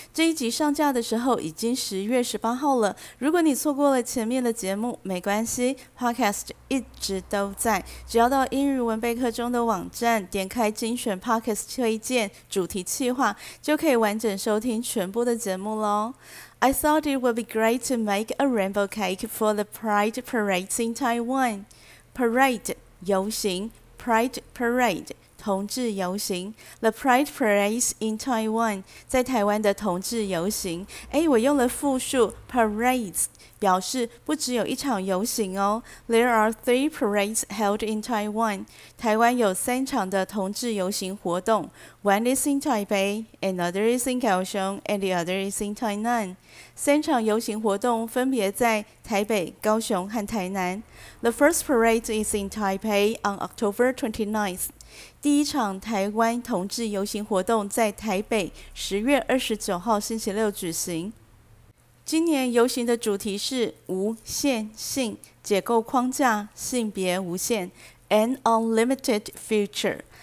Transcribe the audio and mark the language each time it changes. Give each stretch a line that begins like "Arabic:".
Chinese: 这一集上架的时候已经10月18号了。如果你错过了前面的节目，没关系 ，Podcast 一直都在。只要到英语文备课中的网站，点开精选 Podcast 推荐主题企划，就可以完整收听全部的节目喽。
English: I thought it would be great to make a rainbow cake for the Pride Parade in Taiwan.
Chinese: Parade 游行 ，Pride Parade。同志游行 ，
English: The Pride Parade in Taiwan，
Chinese: 在台湾的同志游行。哎，我用了复数 parades， 表示不只有一场游行哦。
English: There are 3 parades held in Taiwan，
Chinese: 台湾有三场的同志游行活动。
English: One is in Taipei， another is in Kaohsiung， and the other is in Tainan。
Chinese: 三场游行活动分别在台北、高雄和台南。
English: The first parade is in Taipei on October 29th。
Chinese: 第一场台湾同志游行活动在台北10月29号星期六举行。今年游行的主题是无限性，解构框架，性别无限 ，
English: an unlimited future。